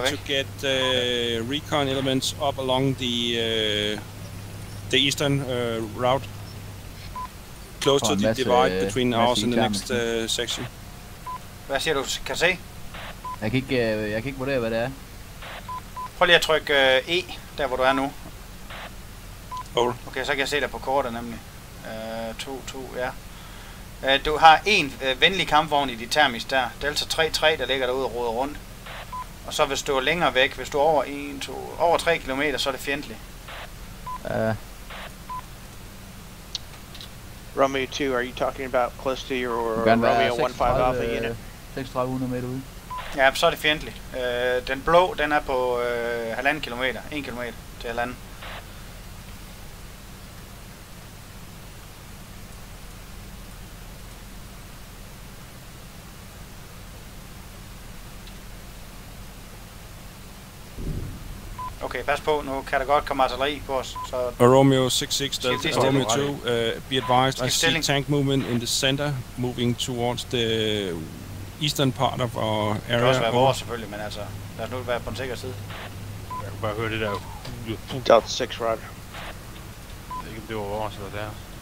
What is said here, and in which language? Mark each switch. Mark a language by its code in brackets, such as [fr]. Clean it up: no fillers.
[en] are trying to get recon elements up along the the eastern route. Close to the divide between ours and the next section. [da] Hvad siger du, kan se? Jeg kan ikke vurdere, hvad det er. Prøv lige at trykke E, der hvor du er nu. [en] Over. [da] Okay, så kan jeg se dig på kortet nemlig. 2, 2, ja. Du har en venlig kampvogn i dit termis der. Delta 3-3, der ligger derude og roder rundt. Og så hvis du er længere væk, hvis du er over 1, 2, over 3 km, så er det fjendtligt. [en] Romeo 2, are you talking about close to your Romeo 15 Alpha unit? [da] 3600 meter ude. Ja, så er det fjendtligt. Den blå, den er på 1,5 km, 1 km til 1,5. Okay, pas på, nu kan der godt komme artilleri på os, så... [en] Romeo 66, Romeo 2, be advised, I see tank movement in the center, moving towards the eastern part of our area. [da] Det kan også være vores, selvfølgelig, men altså, lad os nu være på den sikre side. Jeg kan bare høre det der. [en] Delta 6, right. [da] Jeg ved ikke, om det var vores eller deres.